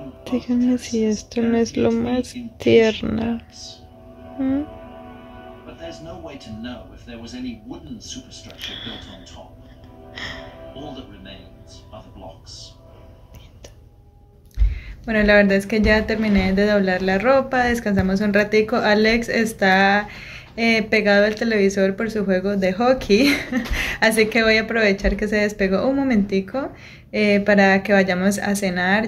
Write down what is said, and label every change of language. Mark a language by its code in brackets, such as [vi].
[es] Díganme si esto no es lo más tierno. [en] But there's no way to know if there was any wooden superstructure built on top. All that remains are the blocks. [es] Bueno, la verdad es que ya terminé de doblar la ropa, descansamos un ratico. Alex está pegado al televisor por su juego de hockey, así que voy a aprovechar que se despegó un momentico para que vayamos a cenar.